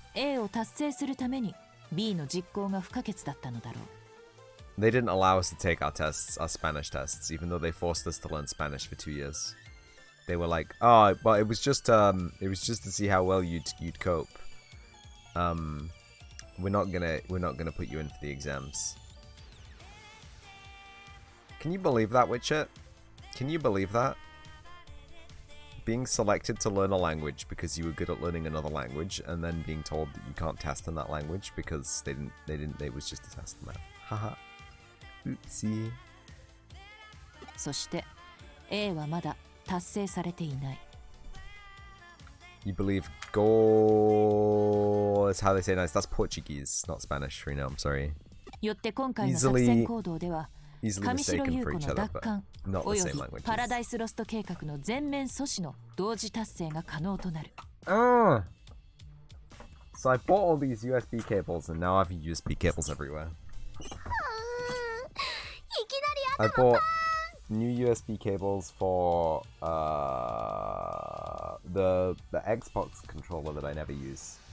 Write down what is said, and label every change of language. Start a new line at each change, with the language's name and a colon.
Japanese: A を達成するために B の実行が不可欠だったのだろう。
English: They didn't allow us to take our tests, our Spanish tests, even though they forced us to learn Spanish for 2 years. They were like, oh, but it was just to see how well you'd cope. We're not gonna put you in for the exams. Can you believe that, Witcher? Can you believe that? Being selected to learn a language because you were good at learning another language, and then being told that you can't test in that language because it was just a test in that. Haha. Oopsie.
Japanese: そして A はまだ達成されていない。
English: You believe goal is how they say nice. That's Portuguese, not Spanish, Reno. I'm sorry.
Japanese: よって今回の作戦行動では神代優子の奪還およびパラダイスロスト計画の全面阻止の同時達成が可能となる。
English: So I bought all these USB cables and now I have USB cables everywhere. I bought new USB cables for the Xbox controller that I never use.